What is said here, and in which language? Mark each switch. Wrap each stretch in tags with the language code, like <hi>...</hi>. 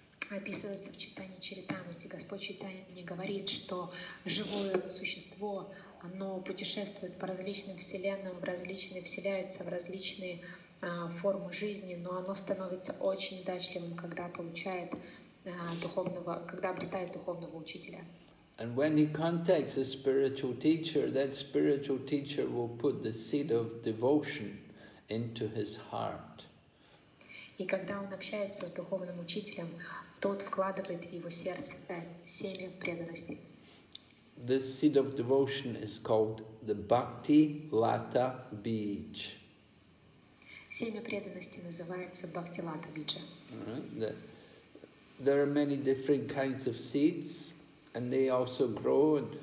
<ru>Описывается в Чайтанья Чаритамрите. Господь Чайтанья говорит, что живое существо, оно путешествует по различным вселенным, вселяется в различные формы жизни, но оно становится очень удачливым, когда получает когда обретает духовного учителя.</ru> <en>And when he contacts a spiritual teacher, that spiritual teacher will put the seed of devotion into his heart.</en> <ru>И когда он общается с духовным учителем, тот вкладывает в его сердце семя преданности.</ru> <en>This seed of devotion is called the Bhakti Lata Bij.</en> <ru>Семя преданности называется Bhakti Lata Bija.</ru> <en>There are many different kinds of seeds, and they also grow.</en>